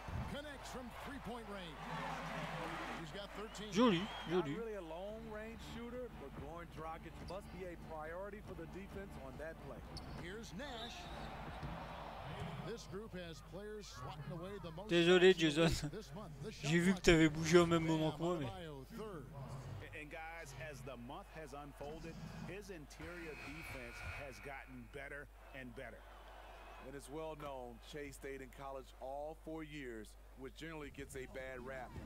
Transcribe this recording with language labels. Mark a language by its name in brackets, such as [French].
[English] Connects from three-point range. He's got 13. [French] Joli. [English] Not really a long-range shooter, but Goran Dragic must be a priority for the defense on that play. Here's Nash. This group has players swatting away the most. [French] Désolé, Jason. J'ai vu que tu avais bougé au même moment que moi, mais. [English] And guys, as the month has unfolded, his interior defense has gotten better and better. And it's well known, Chase stayed in college all 4 years, which generally gets a bad rap.